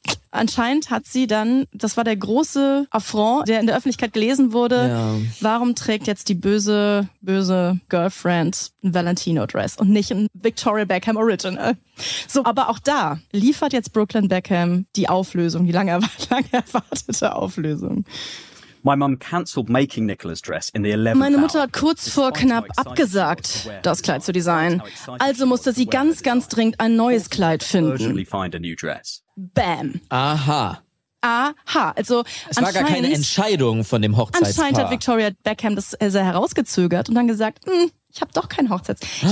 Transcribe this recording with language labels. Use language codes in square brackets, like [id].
[de] Anscheinend hat sie dann, das war der große Affront, der in der Öffentlichkeit gelesen wurde, warum trägt jetzt die böse, böse Girlfriend ein Valentino-Dress und nicht ein Victoria Beckham Original? So, aber auch da liefert jetzt Brooklyn Beckham die Auflösung, die lange erwartete Auflösung. [en] My mom cancelled making Nicola's dress in the 11th. [de] Meine Mutter hat kurz vor knapp abgesagt, das Kleid zu designen. Also musste sie ganz, ganz dringend ein neues Kleid finden. Bam. Aha. Aha. Also es war gar keine Entscheidung von dem Hochzeitspaar. Anscheinend hat Victoria Beckham das sehr herausgezögert und dann gesagt, ich habe doch kein Hochzeitskleid.